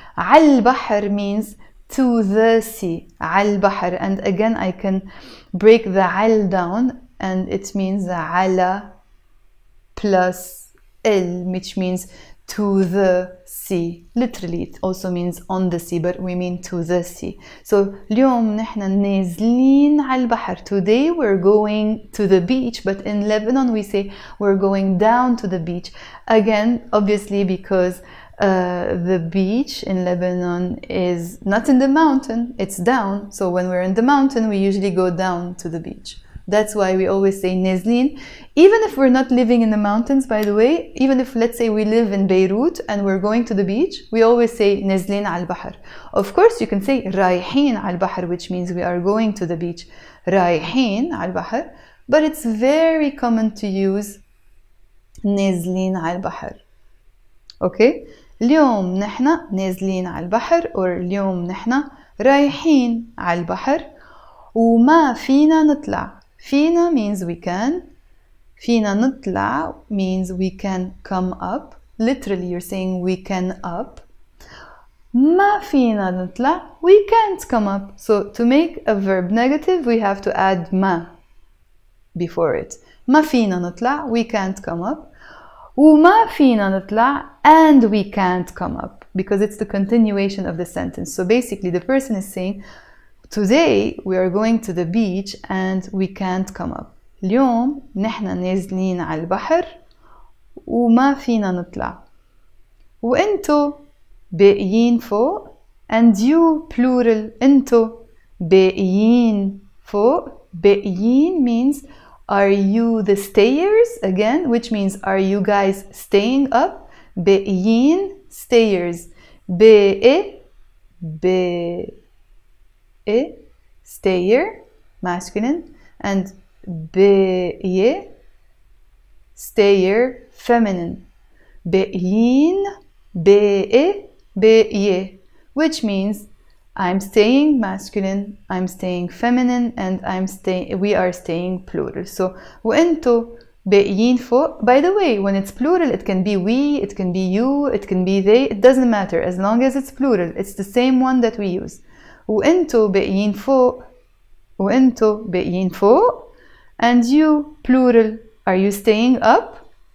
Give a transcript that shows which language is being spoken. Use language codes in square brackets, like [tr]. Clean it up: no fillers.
[ar] على البحر [en] means to the sea. [ar] على البحر. [en] And again, I can break the عل down. And it means ala plus el, which means to the sea. Literally, it also means on the sea, but we mean to the sea. [ar] So, اليوم نحن نازلين على البحر. [en] Today we're going to the beach, but in Lebanon we say we're going down to the beach. Again, obviously, because the beach in Lebanon is not in the mountain, it's down. So, when we're in the mountain, we usually go down to the beach. That's why we always say نازلين. Even if we're not living in the mountains, by the way, even if let's say we live in Beirut and we're going to the beach, we always say [ar] نازلين على البحر. [en] Of course, you can say [ar] رايحين على البحر, [en] which means we are going to the beach. رايحين على البحر. But it's very common to use [ar] نازلين على البحر. [en] Okay? [ar] اليوم نحن نازلين على البحر or اليوم نحن رايحين على البحر وما فينا نطلع. [en] فينا means we can. [ar] فينا نطلع [en] means we can come up. Literally you're saying we can up. [ar] ما فينا نطلع, [en] we can't come up. So to make a verb negative, we have to add ما before it. [ar] ما فينا نطلع, [en] we can't come up. [ar] وما فينا نطلع, [en] and we can't come up. Because it's the continuation of the sentence. So basically the person is saying, today we are going to the beach and we can't come up. [ar] اليوم نحنا نازلين على البحر وما فينا نطلع. وانتو باقيين فوق, [en] and you plural, [ar] انتو باقيين فوق. [en] باقيين means are you the stayers again, which means are you guys staying up. باقيين stayers, [ar] باقي باقي [en] stayer masculine, and باقي stayer feminine. [ar] باقيين باقي باقي, [en] which means I'm staying masculine, I'm staying feminine, and we are staying plural. [ar] So وانتو باقيين فوق. [en] By the way, when it's plural, it can be we, it can be you, it can be they, it doesn't matter as long as it's plural. It's the same one that we use. [ar] وانتو باقيين فوق, وانتو باقيين فوق, [en] and you plural, are you staying up?